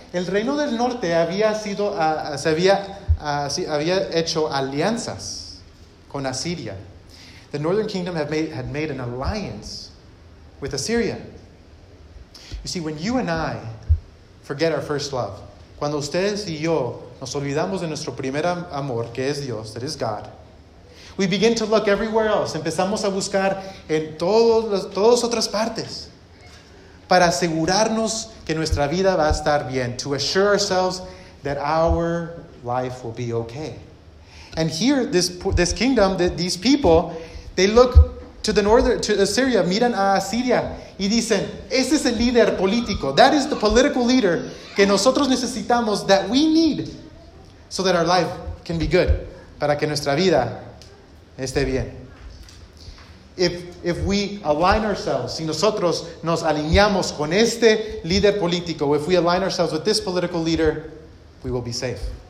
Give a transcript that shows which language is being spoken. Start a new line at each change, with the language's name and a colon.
Spanish: El reino del norte había hecho alianzas con Asiria.
English: The northern kingdom had made an alliance with Assyria. You see, when you and I forget our first love,
Spanish: cuando ustedes y yo nos olvidamos de nuestro primer amor, que es Dios,
English: that is God, we begin to look everywhere else.
Spanish: Empezamos a buscar en todas otras partes para asegurarnos que nuestra vida va a estar bien.
English: To assure ourselves that our life will be okay. And here, this kingdom, these people, they look to the northern, to Assyria.
Spanish: Miran a Asiria y dicen, ese es el líder político.
English: That is the political leader
Spanish: que nosotros necesitamos,
English: that we need so that our life can be good.
Spanish: Para que nuestra vida esté bien.
English: If we align ourselves,
Spanish: si nosotros nos alineamos con este líder político,
English: if we align ourselves with this political leader, we will be safe.